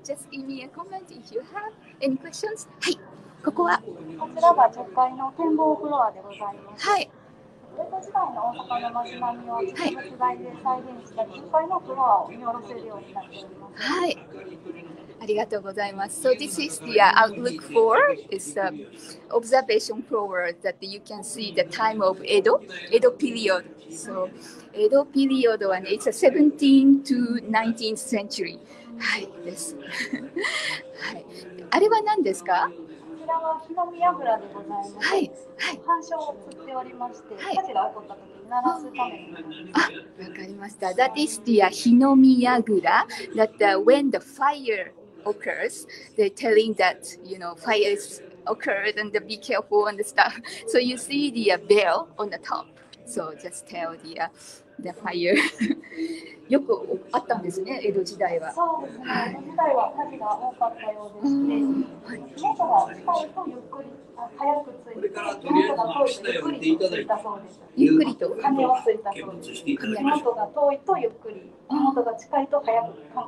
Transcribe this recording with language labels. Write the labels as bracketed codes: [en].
[en] Just give me a comment if you have any questions. [ja] はい、ここはこちらが10階の展望フロアでございます。はい。江戸時代の大阪の町並みを実物大で再現した10階のフロアを見下ろせるようになっております。はい。ありがとうございます。 [en] So this is the outlook floor. It's an observation floor that you can see the time of Edo, Edo period. So Edo period は、ね、it's a 17th to 19th century. [ja] はい、です。はい。あれは何ですか？こちらは火の見櫓でございます。はい。はい。反射を送っておりまして、はい、火事が起こった時に鳴らすために。あ、わかりました。 [en] That is the 火の見櫓 that when the fire occurs, they're telling that, you know, fire is occurred and be careful and stuff. So you see the bell on the top. So just tell the fire. [ja] よくあったんですね、江戸時代は。そうですね、江戸時代は火事が多かったようでして、火事が近いとゆっくり、早く着いて、火事が遠いとゆっくりと着いたそうです。ゆっくりと火事が着いたそうです。火事が遠いとゆっくり、火事が近いと早く、カンカン